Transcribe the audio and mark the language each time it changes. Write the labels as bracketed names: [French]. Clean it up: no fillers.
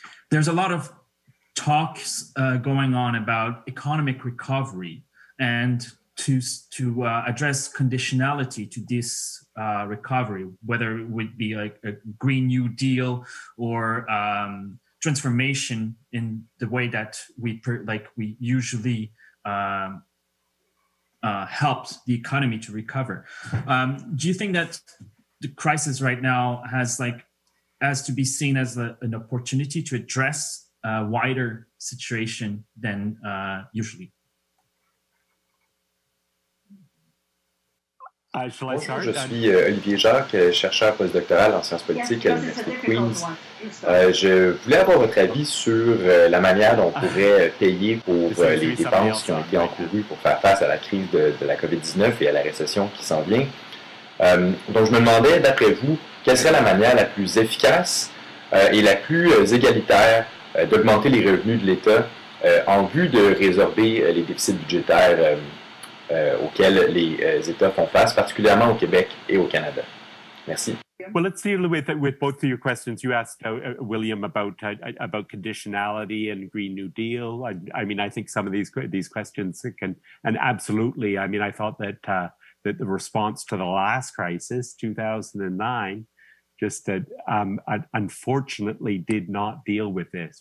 [English] there's a lot of talks going on about economic recovery and to address conditionality to this recovery, whether it would be like a Green New Deal or transformation in the way that we usually helped the economy to recover. Do you think that the crisis right now has to be seen as an opportunity to address a wider situation than usually? [French] Je suis Olivier Jacques, chercheur postdoctoral en sciences politiques à l'Université de Queens. Je voulais avoir votre avis sur la manière dont on pourrait payer pour les dépenses qui ont été encourues pour faire face à la crise de la COVID-19 et à la récession qui s'en vient. Donc, je me demandais, d'après vous, quelle serait la manière la plus efficace et la plus égalitaire d'augmenter les revenus de l'État en vue de résorber les déficits budgétaires auxquels les États font face, particulièrement au Québec et au Canada. Merci. [English] Well, let's deal with both of your questions. You asked William about conditionality and Green New Deal. I mean, I think some of these questions can, and absolutely. I mean, I thought that the response to the last crisis, 2009, just that unfortunately did not deal with this.